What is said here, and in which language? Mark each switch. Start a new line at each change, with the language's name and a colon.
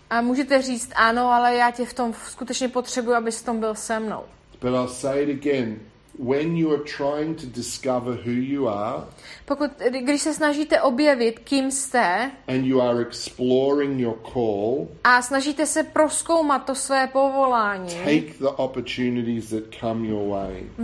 Czech: A můžete říct ano, ale já tě v tom skutečně potřebuji, abys v tom byl se mnou.
English: But I'll say it again. When you are trying to discover who you are,
Czech: pokud když se snažíte objevit, kým jste,
English: and you are exploring your call,
Czech: a snažíte se prozkoumat to své povolání,
English: take the opportunities that come your way.